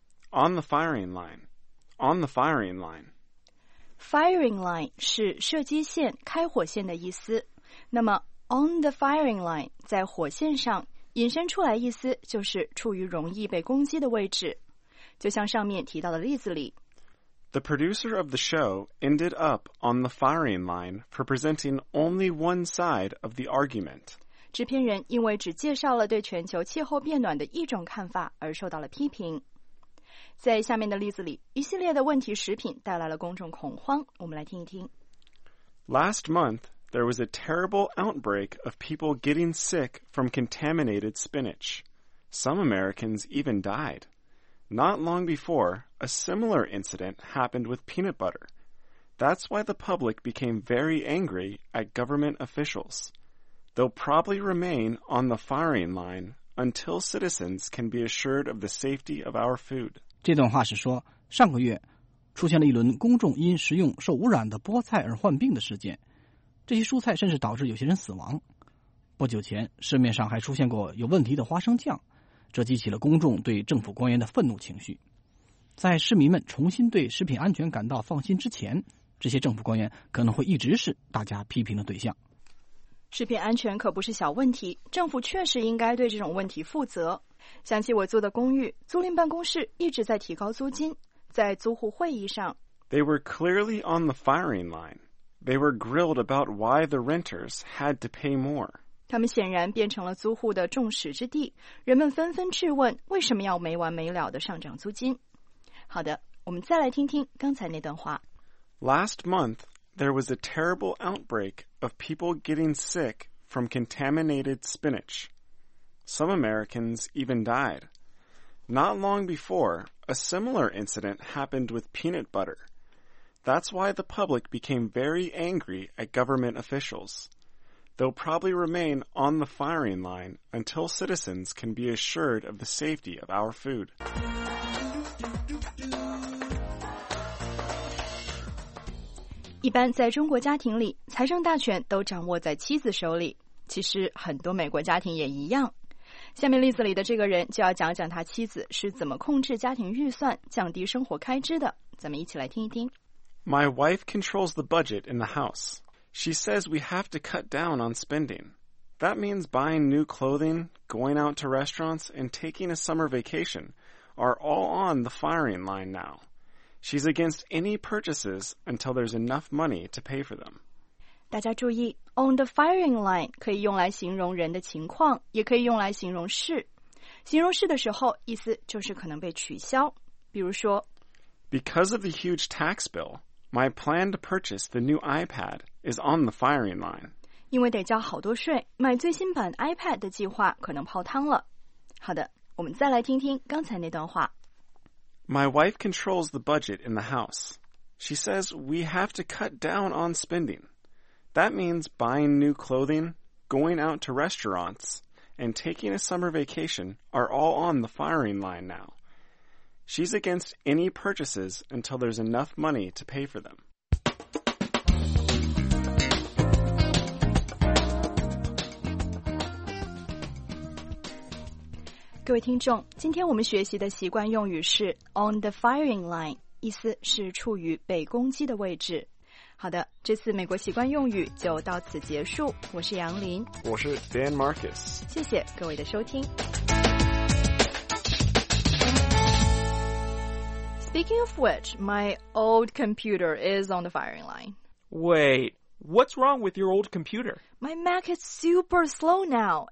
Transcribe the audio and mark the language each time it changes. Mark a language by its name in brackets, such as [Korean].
[English] On the firing line. On the firing line. [Chinese] Firing line 是射击线、开火线的意思。那么 on the firing line 在火线上引申出来意思就是处于容易被攻击的位置。就像上面提到的例子里 [English] The producer of the show ended up on the firing line for presenting only one side of the argument. [Chinese] 制片人因为只介绍了对全球气候变暖的一种看法而受到了批评。在下面的例子里，一系列的问题食品带来了公众恐慌，我们来听一听。 [English] Last month, there was a terrible outbreak of people getting sick from contaminated spinach. Some Americans even died. Not long before, a similar incident happened with peanut butter. That's why the public became very angry at government officials. They'll probably remain on the firing line until citizens can be assured of the safety of our food. [Chinese] 这段话是说，上个月出现了一轮公众因食用受污染的菠菜而患病的事件。这些蔬菜甚至导致有些人死亡。不久前，市面上还出现过有问题的花生酱。这激起了公众对政府官员的愤怒情绪。在市民们重新对食品安全感到放心之前，这些政府官员可能会一直是大家批评的对象。食品安全可不是小问题，政府确实应该对这种问题负责。想起我租的公寓，租赁办公室一直在提高租金，在租户会议上。 [English] They were clearly on the firing line. They were grilled about why the renters had to pay more. [Chinese] 他们显然变成了租户的众矢之的，人们纷纷质问为什么要没完没了地上涨租金。好的，我们再来听听刚才那段话。 [English] Last month, there was a terrible outbreak of people getting sick from contaminated spinach. Some Americans even died. Not long before, a similar incident happened with peanut butter. That's why the public became very angry at government officials. They'll probably remain on the firing line until citizens can be assured of the safety of our food. [Chinese] 一般在中国家庭里，财政大权都掌握在妻子手里。其实很多美国家庭也一样。下面例子里的这个人就要讲讲他妻子是怎么控制家庭预算、降低生活开支的。咱们一起来听一听。 [English] My wife controls the budget in the house. She says we have to cut down on spending. That means buying new clothing, going out to restaurants, and taking a summer vacation are all on the firing line now. She's against any purchases until there's enough money to pay for them. [Chinese] 大家注意 ,on the firing line 可以用来形容人的情况，也可以用来形容事。形容事的时候，意思就是可能被取消。比如说 [English] ,Because of the huge tax bill,My plan to purchase the new iPad is on the firing line. [Chinese] 因为得交好多税，买最新版 iPad 的计划可能泡汤了。好的，我们再来听听刚才那段话。 [English] My wife controls the budget in the house. She says we have to cut down on spending. That means buying new clothing, going out to restaurants, and taking a summer vacation are all on the firing line now. She's against any purchases until there's enough money to pay for them. [Chinese] 各位听众，今天我们学习的习惯用语是 on the firing line, 意思是处于被攻击的位置。好的，这次美国习惯用语就到此结束。我是杨林。我是 Dan Marcus。谢谢各位的收听。 [English] Speaking of which, my old computer is on the firing line. Wait, what's wrong with your old computer? My Mac is super slow now.